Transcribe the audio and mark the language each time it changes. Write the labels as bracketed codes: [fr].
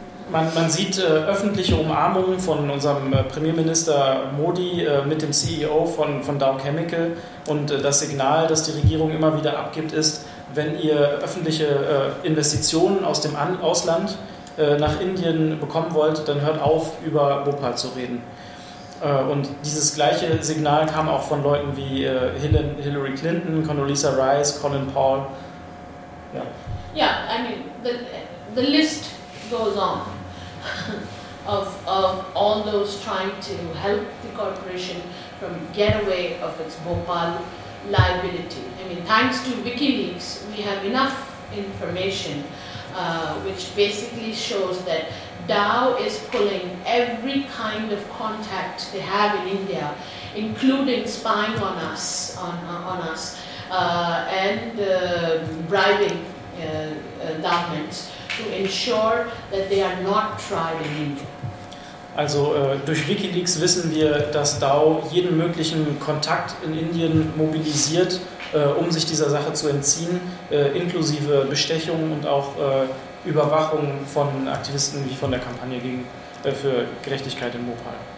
[de] Man sieht öffentliche Umarmungen von unserem Premierminister Modi mit dem CEO von Dow Chemical, und das Signal, das die Regierung immer wieder abgibt, ist, wenn ihr öffentliche Investitionen aus dem Ausland nach Indien bekommen wollt, dann hört auf, über Bhopal zu reden. Und dieses gleiche Signal kam auch von Leuten wie Hillary Clinton, Condoleezza Rice, Colin Powell. Ja, [en] yeah, I mean, the list goes on of all those trying to help the corporation from get away of its Bhopal liability. I mean, thanks to WikiLeaks, we have enough information which basically shows that Dow is pulling every kind of contact they have in India, including spying on us, and bribing governments to ensure that they are not tried in India. [de] Also durch WikiLeaks wissen wir, dass Dow jeden möglichen Kontakt in Indien mobilisiert, um sich dieser Sache zu entziehen, inklusive Bestechung und auch Überwachung von Aktivisten wie von der Kampagne gegen für Gerechtigkeit in Bhopal.